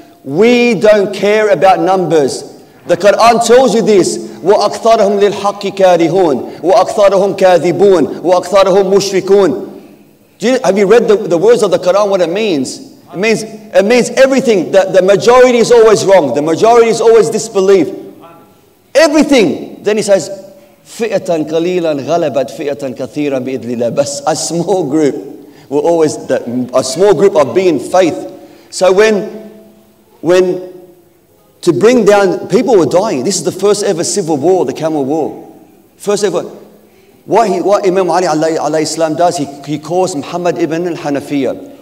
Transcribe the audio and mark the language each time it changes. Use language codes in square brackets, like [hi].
[en] We don't care about numbers. The Quran tells you this. [ar] وَأَكْثَرَهُمْ لِلْحَقِّ كَارِهُونَ وَأَكْثَرَهُمْ كَاذِبُونَ وَأَكْثَرَهُمْ مُشْرِكُونَ. [en] Have you read the words of the Quran, what it means? It means everything. The majority is always wrong. The majority is always disbelief. Everything. Then he says, [ar] فِئَةً قَلِيلًا غَلَبَتْ فِئَةً كَثِيرًا بِإِذْلِ اللَّهِ. [en] But a small group. We're always a small group of being faith. So when to bring down, people were dying. This is the first ever civil war, the Camel War. First ever. What Imam Ali alayhi salam does, he calls Muhammad ibn al-Hanafiya.